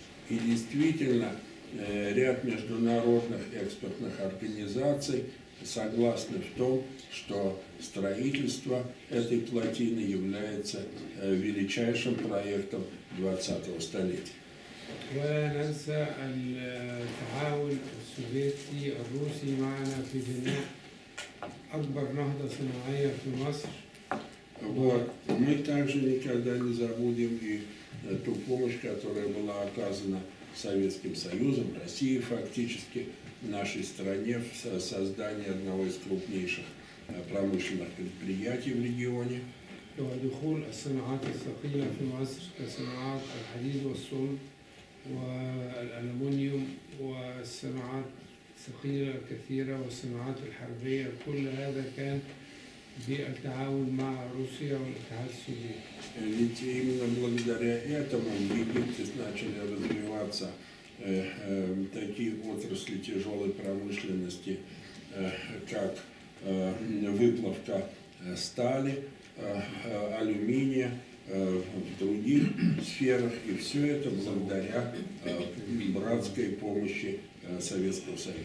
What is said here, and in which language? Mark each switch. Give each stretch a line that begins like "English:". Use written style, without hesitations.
Russian: И действительно, ряд международных экспертных организаций согласны в том, что строительство этой плотины является величайшим проектом 20-го столетия.
Arabic: ولا ننسى التعاون السوفيتي الروسي معنا في بناء أكبر نهضة صناعية في مصر.
Russian: Мы также никогда не забудем и ту помощь, которая была оказана Советским Союзом, России фактически, нашей стране в создании одного из крупнейших промышленных предприятий в регионе.
Arabic: ودخول الصناعات الثقيلة في مصر كصناعات الحديد والصلب. والألمنيوم والصناعات الثقيلة الكثيرة والصناعات الحربية كل هذا كان بالتعاون مع روسيا والاتحاد السوفيتي.
Russian: Ведь именно благодаря этому в Египте начали развиваться такие отрасли тяжелой промышленности, как выплавка стали, алюминия, в других сферах, и все это благодаря братской помощи Советского